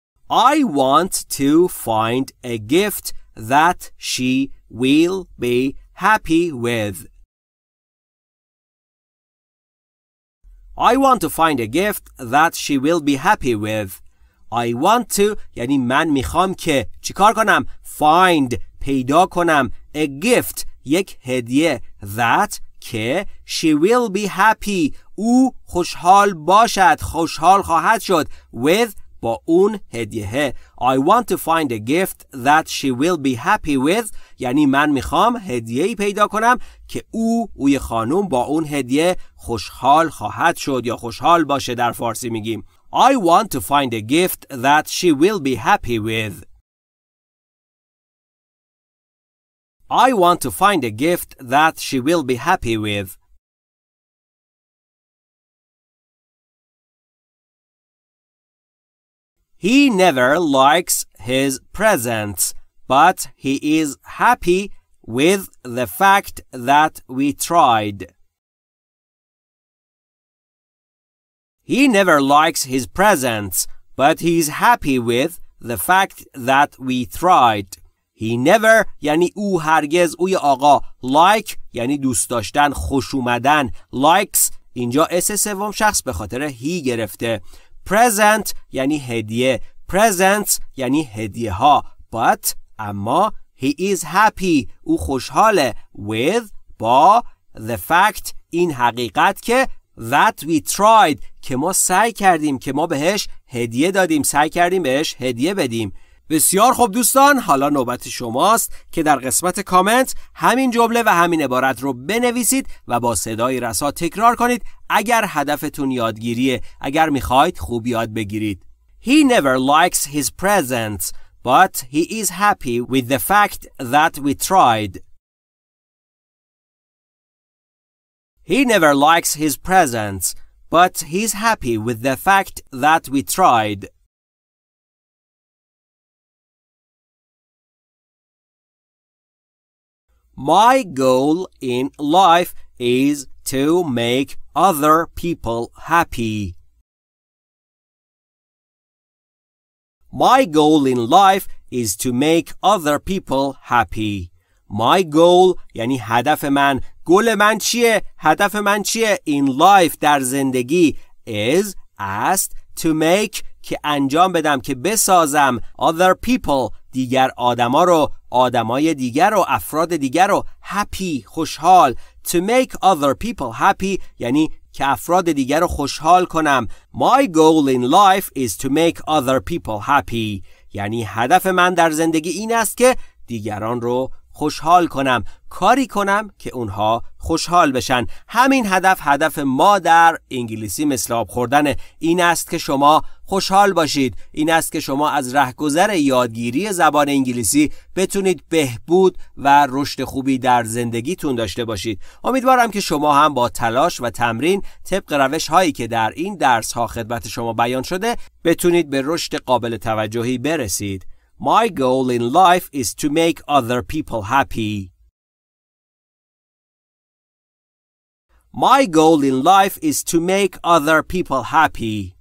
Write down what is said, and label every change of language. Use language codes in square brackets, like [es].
[en] I want to find a gift that she will be happy with. I want to find a gift that she will be happy with. I want to, [fa] یعنی من میخوام که چیکار کنم؟ Find, پیدا کنم. [en] A gift, [fa] یک هدیه. [en] That, که she will be happy. [fa] او خوشحال باشد. خوشحال خواهد شد. With, با اون هدیه. [en] I want to find a gift that she will be happy with. [fa] یعنی من میخوام هدیه‌ای پیدا کنم که اوی خانم با اون هدیه خوشحال خواهد شد یا خوشحال باشه در فارسی میگیم. [en] I want to find a gift that she will be happy with. I want to find a gift that she will be happy with. He never likes his presents, but he is happy with the fact that we tried. He never likes his presents, but he is happy with the fact that we tried. He never, [fa] یعنی او هرگز، اوی آقا، like, یعنی دوست داشتن، خوش اومدن, likes, اینجا اس سوم شخص به خاطر he گرفته. Present یعنی هدیه. Presents یعنی هدیه ها. [en] But اما he is happy. [fa] او خوشحاله. With با [en] the fact [fa] این حقیقت که [en] that we tried [fa] که ما سعی کردیم که ما بهش هدیه دادیم. سعی کردیم بهش هدیه بدیم. بسیار خوب دوستان. حالا نوبت شماست که در قسمت کامنت همین جمله و همین عبارت رو بنویسید و با صدای رسا تکرار کنید اگر هدفتون یادگیریه، اگر میخواید خوب یاد بگیرید. [en] He never likes his presents, but he is happy with the fact that we tried. He never likes his presents, but he's happy with the fact that we tried. My goal in life is to make other people happy. My goal in life is to make other people happy. My goal, [fa] یعنی هدف من. گول من چیه؟ هدف من چیه؟ [en] In life, [fa] در زندگی. [en] Is, asked, to make, [fa] که انجام بدم، که بسازم. [en] Other people, [fa] دیگر آدما رو، آدمای دیگر رو، افراد دیگر رو happy، خوشحال. [en] To make other people happy [fa] یعنی که افراد دیگر رو خوشحال کنم. [en] My goal in life is to make other people happy [fa] یعنی هدف من در زندگی این است که دیگران رو خوشحال کنم، کاری کنم که اونها خوشحال بشن. همین هدف، هدف ما در انگلیسی مثل آب خوردن، این است که شما خوشحال باشید، این است که شما از رهگذر یادگیری زبان انگلیسی بتونید بهبود و رشد خوبی در زندگیتون داشته باشید. امیدوارم که شما هم با تلاش و تمرین طبق روش هایی که در این درس ها خدمت شما بیان شده بتونید به رشد قابل توجهی برسید. [en] My goal in life is to make other people happy. My goal in life is to make other people happy.